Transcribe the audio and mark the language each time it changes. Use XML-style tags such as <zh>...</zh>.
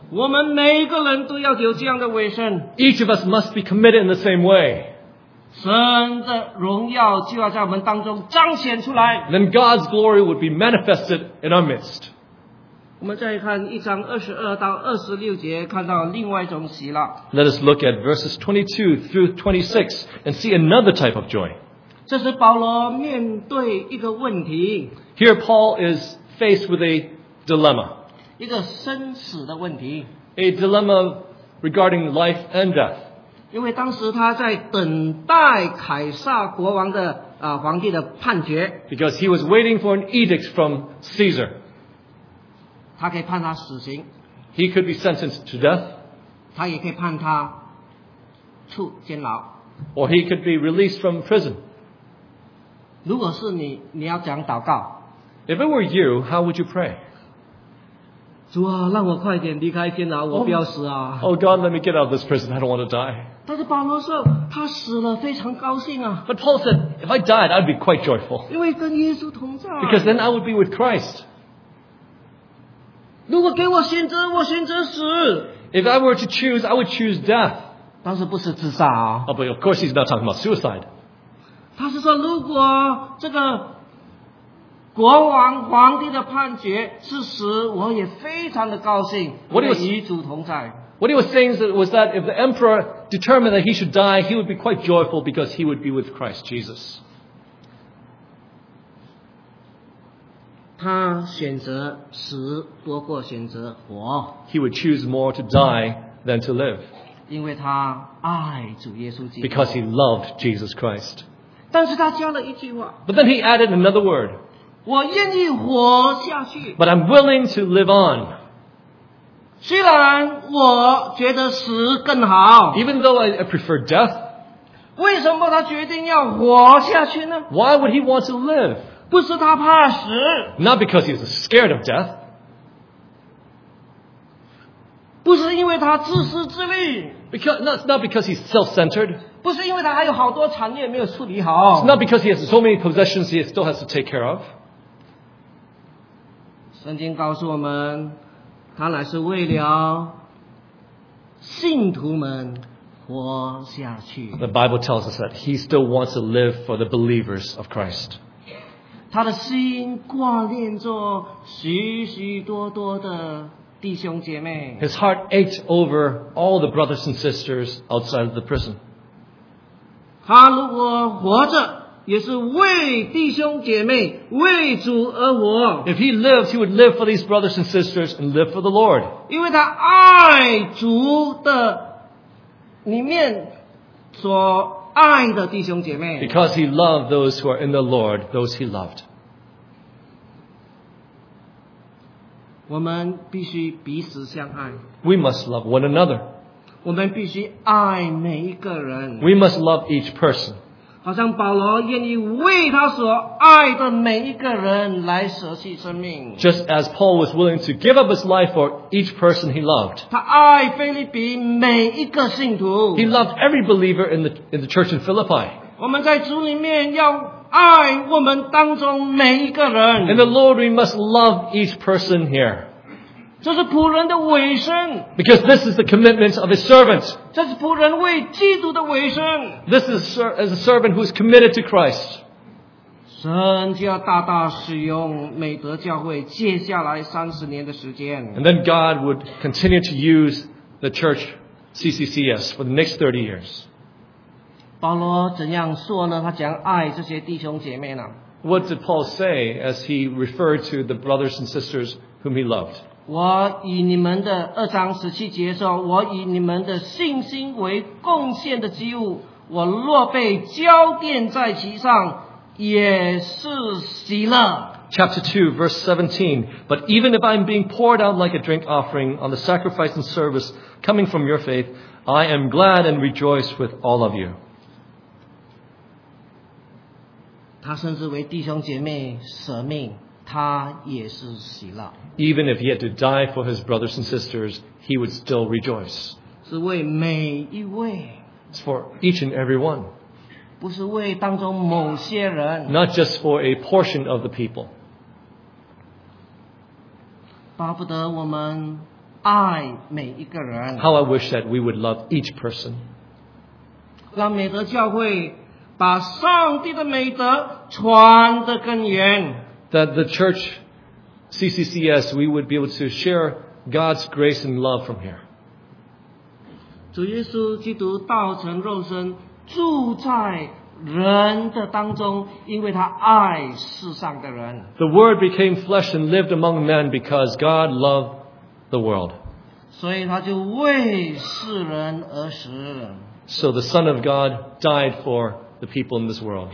<zh>我们每个人都要有这样的委身。</zh> <en>Each of us must be committed in the same way.</en> <zh>神的荣耀就要在我们当中彰显出来。</zh> <en>Then God's glory would be manifested in our midst.</en> <zh>我们再看一章二十二到二十六节，看到另外一种喜乐。</zh> <en>Let us look at verses 22 through 26 and see another type of joy.</en> <zh>这是保罗面对一个问题。</zh> <en>Here Paul is faced with a dilemma.</en> <zh>一个生死的问题。</zh> <en>A dilemma regarding life and death.</en> <zh>因为当时他在等待凯撒国王的皇帝的判决。</zh> <en>Because he was waiting for an edict from Caesar.</en> <zh>他可以判他死刑。</zh> <en>He could be sentenced to death.</en> <zh>他也可以判他处监牢。</zh> <en>Or he could be released from prison.</en> <zh>如果是你，你要讲祷告。</zh> <en>If it were you, how would you pray?</en> <zh>主啊，让我快点离开监牢，我不要死啊。</zh> <en>Oh God, let me get out of this prison. I don't want to die.</en> <zh>但是保罗说，他死了非常高兴啊。</zh> <en>But Paul said, if I died, I'd be quite joyful.</en> <zh>因为跟耶稣同在。</zh> <en>Because then I would be with Christ.</en> <zh>如果给我选择，我选择死。</zh> <en>If I were to choose, I would choose death.</en> <zh>但是不是自杀啊、</zh> <en>哦、But of course he's not talking about suicide.</en> <zh>他是说如果这个国王皇帝的判决是死，我也非常的高兴，与主同在。</zh> <en>What he was saying was that if the emperor determined that he should die, he would be quite joyful because he would be with Christ Jesus.</en> <zh>他选择死多过选择活。</zh> <en>He would choose more to die than to live.</en> <zh>因为他爱主耶稣基督。</zh> <en>Because he loved Jesus Christ.</en> <zh>但是他加了一句话。</zh> <en>But then he added another word.</en> <zh>我愿意活下去。</zh> <en>But I'm willing to live on.</en> <zh>虽然我觉得死更好</zh> <en>Even though I prefer death,</en> <zh>为什么他决定要活下去呢</zh> <en>Why would he want to live?</en> <zh>不是他怕死</zh> <en>Not because he's scared of death.</en> <zh>不是因为他自私自利</zh> <en>not because he's self-centered.</en> <zh>不是因为他还有好多产业没有处理好</zh> <en>It's not because he has so many possessions he still has to take care of.</en> <zh>圣经告诉我们他乃是为了信徒们活下去。</zh> <en>The Bible tells us that he still wants to live for the believers of Christ.</en> <zh>他的心挂念着许许多多的弟兄姐妹。</zh> <en>His heart ached over all the brothers and sisters outside of the prison.</en> <zh>他如果活着也是为弟兄姐妹为主而活</zh> <en>If he lives, he would live for these brothers and sisters and live for the Lord.</en> <zh>因为他爱主的里面所爱的弟兄姐妹</zh> <en>Because he loved those who are in the Lord, those he loved.</en> <zh>我们必须彼此相爱</zh> <en>We must love one another.</en> <zh>我们必须爱每一个人</zh> <en>We must love each person.</en> <zh>好像保罗愿意为他所爱的每一个人来舍弃生命。</zh> <en>Just as Paul was willing to give up his life for each person he loved.</en> <zh>他爱腓立比每一个信徒。</zh> <en>He loved every believer in the church in Philippi.</en> <zh>我们在主里面要爱我们当中每一个人。</zh> <en>In the Lord we must love each person here.</en> <zh>这是仆人的委身。</zh> <en>Because this is the commitment of his servant.</en> <zh>这是仆人为基督的委身。</zh> <en>This is a servant who is committed to Christ.</en> <zh>神就要大大使用美德教会接下来三十年的时间。</zh> <en>And then God would continue to use the church CCCS for the next 30 years.</en> <zh>保罗怎样说呢？他讲爱这些弟兄姐妹呢</zh> <en>？What did Paul say as he referred to the brothers and sisters whom he loved?</en> <zh>我以你们的二章十七节说，我以你们的信心为贡献的机物，我若被交奠在其上，也是喜乐。</zh> <en>Chapter 2, verse 17. But even if I am being poured out like a drink offering on the sacrifice and service coming from your faith, I am glad and rejoice with all of you.</en> <zh>他甚至为弟兄姐妹舍命。他也是喜乐。</zh> <en>Even if he had to die for his brothers and sisters, he would still rejoice.</en> <zh>是为每一位。</zh> <en>It's for each and every one.</en> <zh>不是为当中某些人。</zh> <en>Not just for a portion of the people.</en> <zh>巴不得我们爱每一个人。</zh> <en>How I wish that we would love each person.</en> <zh>让美德教会把上帝的美德传得更远。</zh> <en>That the church, CCCS, we would be able to share God's grace and love from here.</en> <zh>主耶稣基督道成肉身住在人的当中，因为他爱世上的人。</zh> <en>The Word became flesh and lived among men because God loved the world.</en> <zh>所以他就为世人而死。</zh> <en>So the Son of God died for the people in this world.</en>